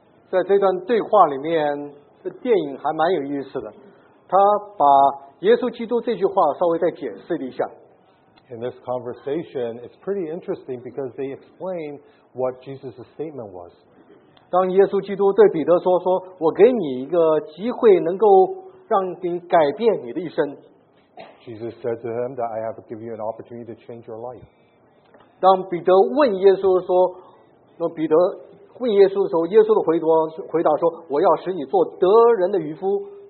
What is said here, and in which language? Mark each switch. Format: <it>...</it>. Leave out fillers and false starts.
<zh>在这段对话里面，这电影还蛮有意思的。他把耶稣基督这句话稍微再解释了一下。</zh> <en>In this conversation, it's pretty interesting because they explain what Jesus' statement was.</en> <zh>当耶稣基督对彼得说：“说我给你一个机会，能够让你改变你的一生。”</zh> <en>Jesus said to him that I have to give you an opportunity to change your life.</en> <zh>当彼得问耶稣说：“那彼得。” 问耶稣的时候，耶稣的回答说：“我要使你做得人的渔夫。”</zh>